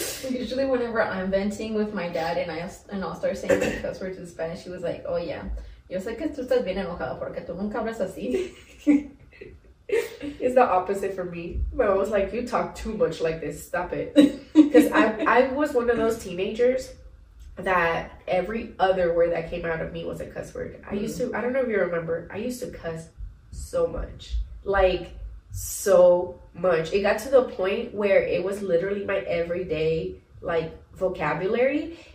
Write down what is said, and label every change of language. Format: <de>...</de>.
<en>Usually whenever I'm venting with my dad and I'll start saying the cuss words in Spanish, he was like, oh yeah.</en> <es>Yo sé que tú estás bien enojado porque tú nunca hablas así.</es> <en>It's the opposite for me. My mom was like, you talk too much like this. Stop it. Because I was one of those teenagers that every other word that came out of me was a cuss word. I used to, I don't know if you remember, I used to cuss so much. Like, so much. It got to the point where it was literally my everyday, like, vocabulary.</en>